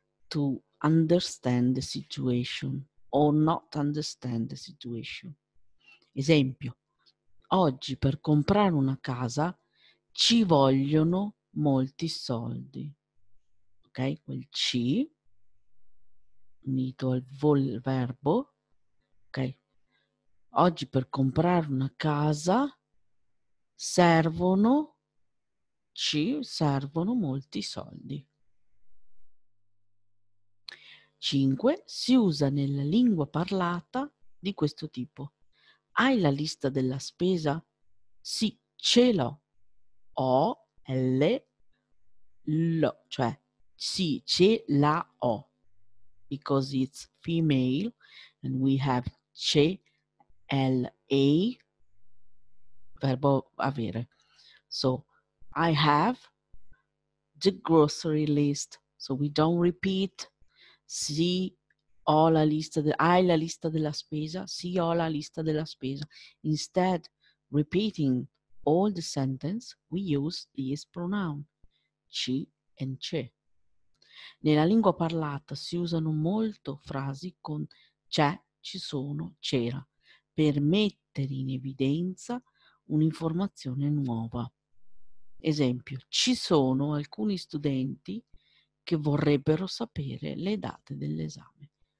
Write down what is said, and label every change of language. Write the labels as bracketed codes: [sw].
[en] To understand the situation or not understand the situation. [it] Esempio, oggi per comprare una casa ci vogliono molti soldi. Ok, quel ci unito al verbo. Ok, oggi per comprare una casa ci servono molti soldi. 5. Si usa nella lingua parlata di questo tipo. Hai la lista della spesa? Sì, ce l'ho. O-L-L-O, cioè sì, ce la ho. [en] Because it's female and we have ce-L-A, [it] verbo avere. [en] So, I have the grocery list. So, we don't repeat. [it] Sì, ho la lista, hai la lista della spesa? Sì, ho la lista della spesa. [en] Instead, repeating all the sentence, we use this pronoun, ci and ce. [it] Nella lingua parlata si usano molto frasi con c'è, ci sono, c'era, per mettere in evidenza un'informazione nuova. Esempio, ci sono alcuni studenti che vorrebbero sapere le date dell'esame.